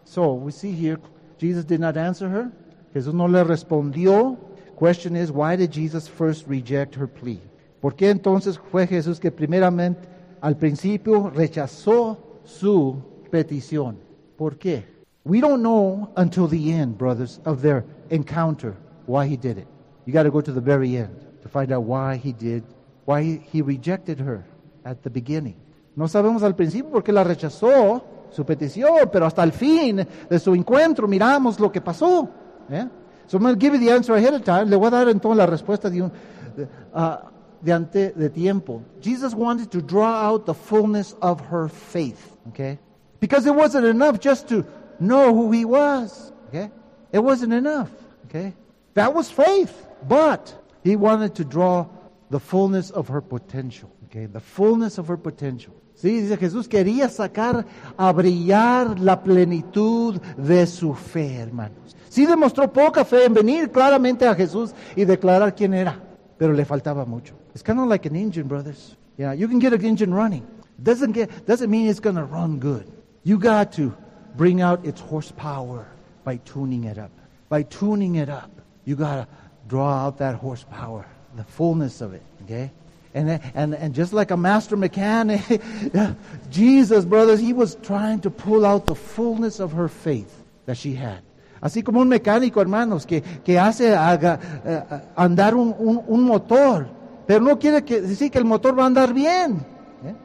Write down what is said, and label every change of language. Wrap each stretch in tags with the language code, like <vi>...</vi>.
<en>So we see here, Jesus did not answer her.</en> <es>Jesús no le respondió.</es> <en>Question is, why did Jesus first reject her plea?</en> <es>¿Por qué entonces fue Jesús que primeramente, al principio, rechazó su petición? ¿Por qué?</es> <en>We don't know until the end, brothers, of their encounter, why he did it. You got to go to the very end to find out why he did, why he rejected her at the beginning.</en> <es>No sabemos al principio por qué la rechazó su petición, pero hasta el fin de su encuentro miramos lo que pasó.</es> <en>¿Eh? So I'm going to give you the answer ahead of time.</en> <es>Le voy a dar entonces la respuesta de tiempo.</es> <en>Jesus wanted to draw out the fullness of her faith. Okay? Because it wasn't enough just to know who he was. Okay? It wasn't enough. Okay? That was faith. But he wanted to draw the fullness of her potential. Okay? The fullness of her potential.</en> <es>Sí, dice Jesús quería sacar a brillar la plenitud de su fe, hermanos. Sí demostró poca fe en venir claramente a Jesús y declarar quién era, pero le faltaba mucho.</es> <en>It's kind of like an engine, brothers. Yeah, you can get an engine running. Doesn't mean it's going to run good. You got to bring out its horsepower by tuning it up. By tuning it up, you got to draw out that horsepower, the fullness of it, okay? And just like a master mechanic, Jesus, brothers, he was trying to pull out the fullness of her faith that she had.</en> <es>Así como un mecánico, hermanos, que hace andar un motor, pero no quiere que decir que el motor va a andar bien. ¿Eh?</es>